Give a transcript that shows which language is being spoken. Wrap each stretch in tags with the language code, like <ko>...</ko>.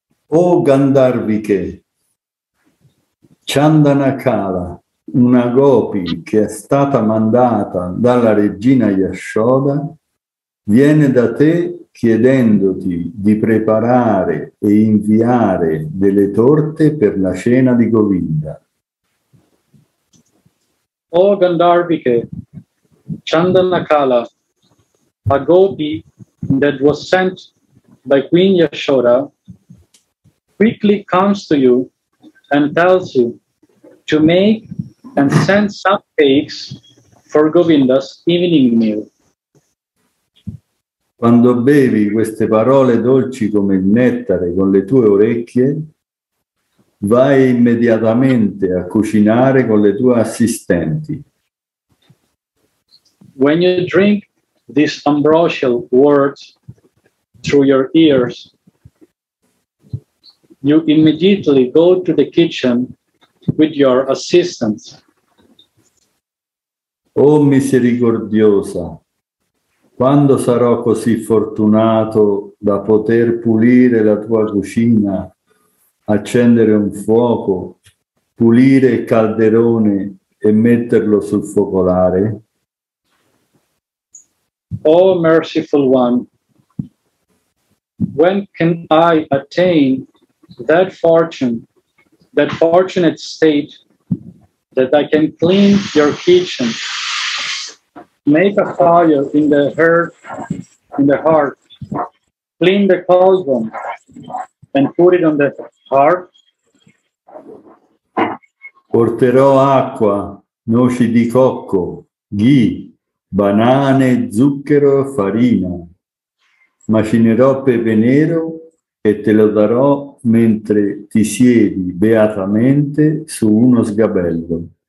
<it>O Gandharvike, Chandanakala, una gopi che è stata mandata dalla regina Yashoda, viene da te chiedendoti di preparare e inviare delle torte per la cena di Govinda.</it> <en>O Gandharvike, Chandanakala, a gopi that was sent by Queen Yashoda, quickly comes to you and tells you to make and send some cakes for Govinda's evening meal.</en> <it>Quando bevi queste parole dolci come il nettare con le tue orecchie, vai immediatamente a cucinare con le tue assistenti.</it> <en>When you drink these ambrosial words through your ears, you immediately go to the kitchen with your assistants.</en> <it>Oh misericordiosa, quando sarò così fortunato da poter pulire la tua cucina, accendere un fuoco, pulire il calderone e metterlo sul focolare?</it> <en>Oh merciful one, when can I attain that fortune, that fortunate state, that I can clean your kitchen, make a fire in the hearth, clean the cauldron and put it on the hearth?</en> <it>Porterò acqua, noci di cocco, ghee, banane, zucchero, farina. Macinerò pepe nero e te lo darò mentre ti siedi beatamente su uno sgabello.</it>